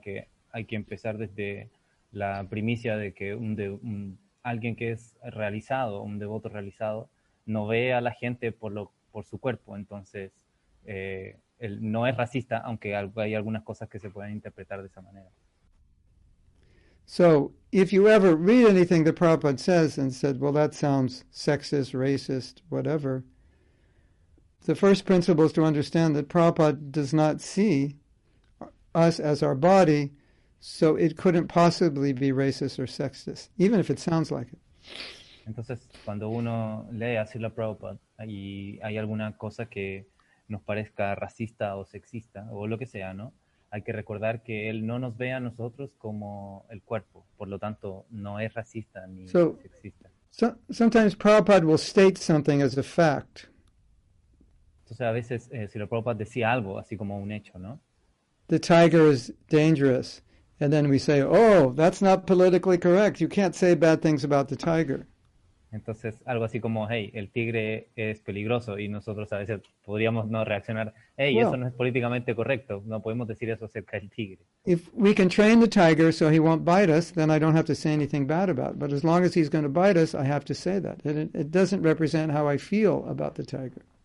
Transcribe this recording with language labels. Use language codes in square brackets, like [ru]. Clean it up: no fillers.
[es] Que hay que empezar desde la primicia de que alguien que es realizado, un devoto realizado, no ve a la gente por su cuerpo. Entonces, él no es racista, aunque hay algunas cosas que se pueden interpretar de esa manera. [en] So, if you ever read anything that Prabhupada says and said, well, that sounds sexist, racist, whatever, the first principle is to understand that Prabhupada does not see us as our body, so it couldn't possibly be racist or sexist, even if it sounds like it. [es] Entonces, cuando uno lee a Srila Prabhupada y hay alguna cosa que nos parezca racista o sexista o lo que sea, ¿no? Hay que recordar que él no nos ve a nosotros como el cuerpo, por lo tanto, no es racista ni sexista. [en] Sometimes Prabhupada will state something as a fact. [es] Entonces, a veces Srila Prabhupada decía algo así como un hecho, ¿no? [en] The tiger is dangerous. And then we say, oh, that's not politically correct. You can't say bad things about the tiger. [es] Entonces, algo así como, hey, el tigre es peligroso, y nosotros a veces podríamos no reaccionar, hey, well, eso no es políticamente correcto, no podemos decir eso acerca del tigre. [en] If we can train the tiger so he won't bite us, then I don't have to say anything bad about it. But as long as he's going to bite us, I have to say that. And it doesn't represent how I feel about the tiger.